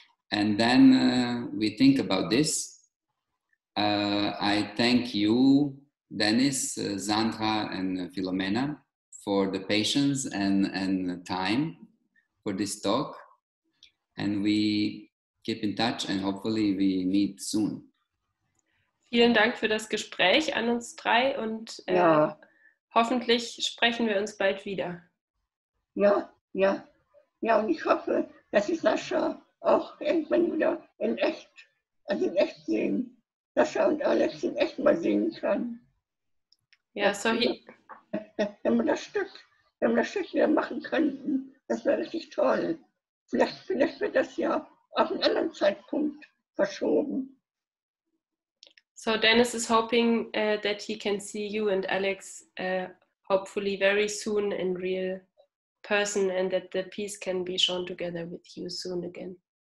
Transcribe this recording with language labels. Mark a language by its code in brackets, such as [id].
[en] And then we think about this. I thank you, Dennis, Sandra, and Philomena, for the patience and time for this talk. And we keep in touch and hopefully we meet soon. [de] Vielen Dank für das Gespräch an uns drei und ja. Hoffentlich sprechen wir uns bald wieder. Ja, ja. Ja, und ich hoffe, dass ich Sascha auch irgendwann wieder in echt sehen. Sascha und Alex in echt mal sehen kann. Ja, sorry. Wenn wir das Stück wieder machen könnten, das wäre richtig toll. Vielleicht wird das ja auf einen anderen Zeitpunkt verschoben. [en] So Dennis is hoping that he can see you and Alex hopefully very soon in real person and that the piece can be shown together with you soon again.